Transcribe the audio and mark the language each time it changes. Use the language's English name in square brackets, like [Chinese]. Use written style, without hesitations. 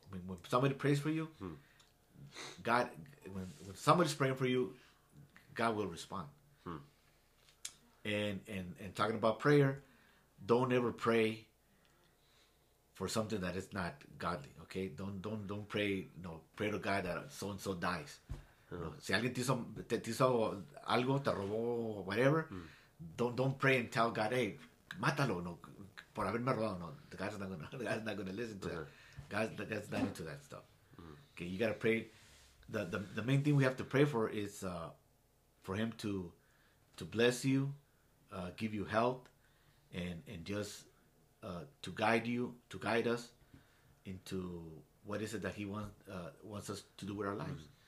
[English] I mean, when somebody prays for you, God, when somebody's praying for you, God will respond. And talking about prayer, don't ever pray for something that is not godly. Okay, don't pray. Pray to God that so and so dies. [Spanish] Si alguien te hizo algo, te robó, [English] whatever. Don't pray and tell God, hey, [Spanish] mátalo, por haberme robado. [English] No, God's not gonna listen to that. God's not into that stuff. Okay, you gotta pray. The main thing we have to pray for is for Him to bless you, give you health, and just to guide us into what is it that He wants us to do with our lives.